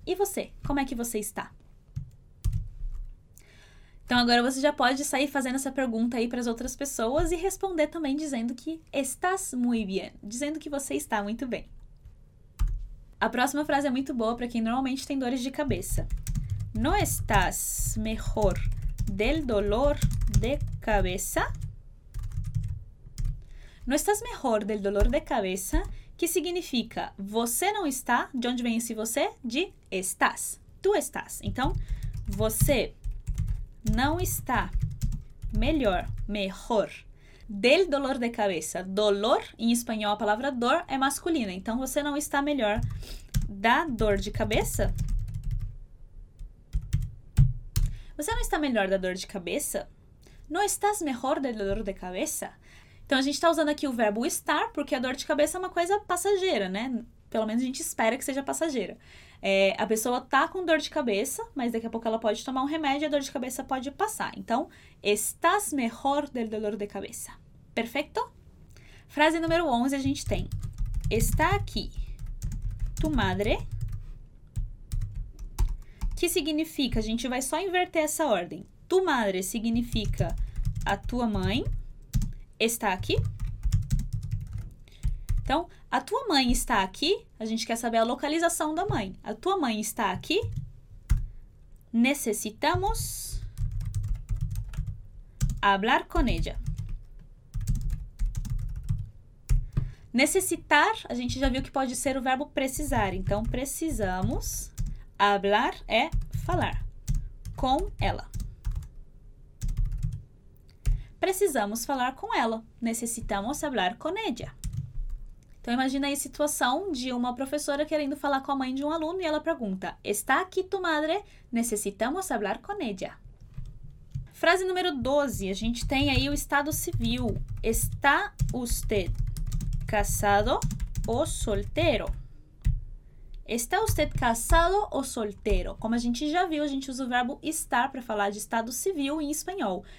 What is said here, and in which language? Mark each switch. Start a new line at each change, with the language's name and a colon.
Portuguese: E você, como é que você está? Então, agora você já pode sair fazendo essa pergunta aí para as outras pessoas e responder também dizendo que
Spanish: estás muy bien,
Portuguese: dizendo que você está muito bem. A próxima frase é muito boa para quem normalmente tem dores de cabeça.
Spanish: No estás mejor del dolor de cabeza? No estás mejor del dolor de cabeza,
Portuguese: que significa você não está, de onde vem esse você? De estás, tu estás. Então, você não está melhor, mejor.
Spanish: Del dolor de cabeça.
Portuguese: Dolor, em espanhol, a palavra dor é masculina. Então, você não está melhor da dor de cabeça? Você não está melhor da dor de cabeça?
Spanish: No estás mejor del dolor de cabeça?
Portuguese: Então, a gente está usando aqui o verbo estar, porque a dor de cabeça é uma coisa passageira, né? Pelo menos a gente espera que seja passageira. É, a pessoa está com dor de cabeça, mas daqui a pouco ela pode tomar um remédio e a dor de cabeça pode passar.
Spanish: Então, estás mejor del dolor de cabeça. Perfeito?
Portuguese: Frase número 11 a gente tem.
Spanish: Está aqui tu madre.
Portuguese: Que significa? A gente vai só inverter essa ordem. Tu madre significa a tua mãe. Está aqui. Então, a tua mãe está aqui. A gente quer saber a localização da mãe. A tua mãe está aqui.
Spanish: Necessitamos hablar con ella.
Portuguese: Necessitar, a gente já viu que pode ser o verbo precisar. Então, precisamos hablar é falar com ela. Precisamos falar com ela.
Spanish: Necessitamos hablar con ella.
Portuguese: Então, imagina aí a situação de uma professora querendo falar com a mãe de um aluno e ela pergunta,
Spanish: está aqui tu madre? Necessitamos hablar con ella.
Portuguese: Frase número 12. A gente tem aí o estado civil.
Spanish: Está usted casado
Portuguese: ou solteiro?
Spanish: Está usted casado
Portuguese: ou solteiro? Como a gente já viu, a gente usa o verbo estar para falar de estado civil em espanhol.